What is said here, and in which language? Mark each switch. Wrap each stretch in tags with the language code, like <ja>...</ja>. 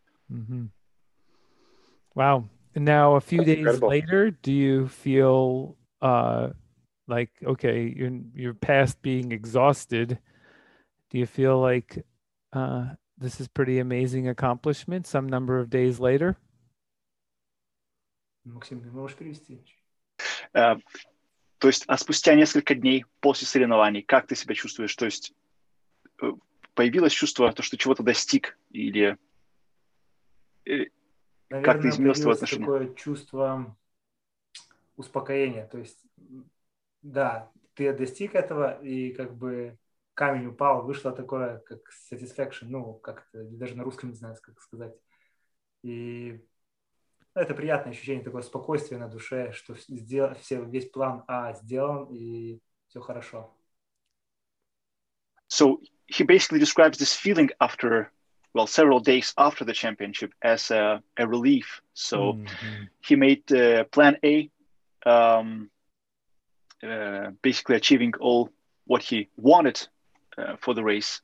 <en>Mm-hmm. Wow. Now, a few days later, do you feel like, okay, you're past being exhausted? Do you feel like this is pretty amazing accomplishment some number of days later?</en> <ru>Максим, ты можешь перевести? То есть, а спустя несколько дней после соревнований, как ты себя чувствуешь? То есть, появилось чувство, то, что чего-то достиг, или... Наверное, появилось такое чувство успокоения. То есть, да, ты достиг этого, и как бы камень упал, вышло такое, как satisfaction, ну, как-то даже на русском не знаю, как сказать. И это приятное ощущение, такое спокойствие на душе, что весь план А сделан, и все хорошо.</ru> <en>So, he basically describes this feeling after... Well, several days after the championship as a relief. So mm-hmm. He made plan A, basically achieving all what he wanted for the race.</en>